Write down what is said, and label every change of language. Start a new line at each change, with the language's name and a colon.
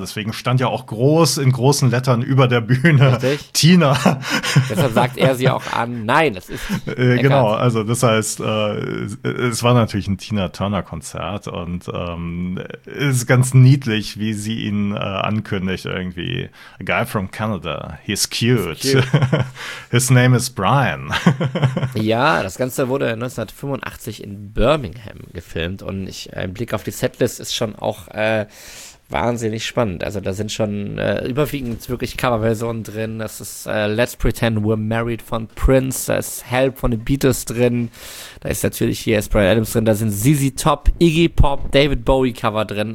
German: Deswegen stand ja auch groß in großen Lettern über der Bühne, richtig? Tina. Deshalb sagt er sie auch an. Nein, das ist genau, also das heißt, es war natürlich ein Tina Turner-Konzert und es ist ganz niedlich, wie sie ihn ankündigt irgendwie.
English: A guy from Canada, he's cute. His name is Bryan.
German: Ja. das Ganze wurde 1985 in Birmingham gefilmt und ich, ein Blick auf die Setlist ist schon auch wahnsinnig spannend. Also da sind schon überwiegend wirklich Coverversionen drin. Das ist Let's Pretend We're Married von Prince, da ist Help von den Beatles drin, da ist natürlich hier Brian Adams drin, da sind ZZ Top, Iggy Pop, David Bowie Cover drin.